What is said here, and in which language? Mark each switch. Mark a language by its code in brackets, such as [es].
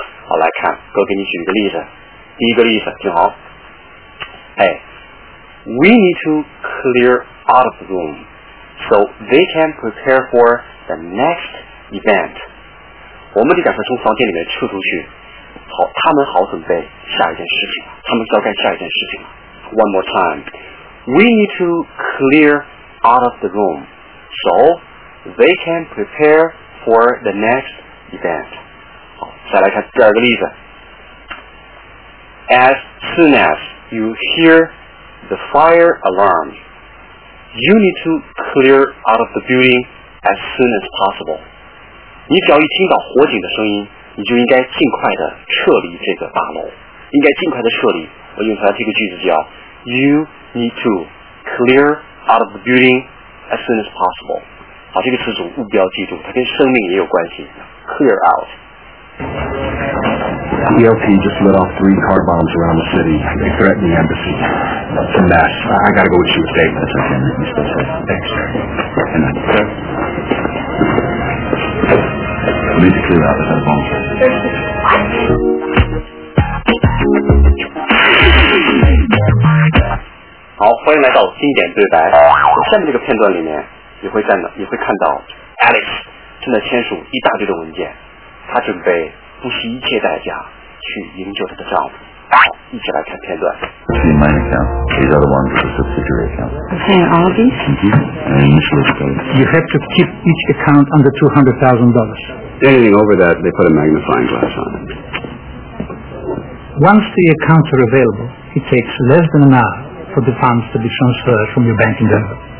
[zh] 好，来看，哥给你举一个例子。第一个例子，听好。 [en] 哎， We need to clear out of the room so they can prepare for the next event. [zh] 我们得赶快从房间里面撤出去，好，他们好准备下一件事情，他们要干下一件事情。 [en] One more time. We need to clear out of the room so they can prepare for the next event. [zh] 好，再来看第二个例子。 [en] As soon as you hear the fire alarm, you need to clear out of the building as soon as possible. [zh] 你只要一听到火警的声音，你就应该尽快的撤离这个大楼，应该尽快的撤离。我用出来这个句子叫 [en] You need to clear out of the building as soon as possible。 [zh] 好，这个词组务必要记住，它跟生命也有关系。 [en] Clear out. ELT just let off 3 car bombs around the city. They threaten the embassy. It's a mess. I gotta go with you a statement. That's okay. You still say thanks, sir. And then, okay? Thank you. [zh] 好，欢迎来到经典对白。在下面这个片段里面，你会看到 Alex 正在签署一大堆的文件，她准备不惜一切代价去营救她的丈夫。一起来看片段。 [en] Between my account, these are the ones with the subsidiary account. Okay, all of these? Thank you. And initially, you have to keep each account under $200,000. Anything over that, they put a magnifying glass on it. Once the accounts are available, it takes less than an hour for the funds to be transferred from your bank in Denver.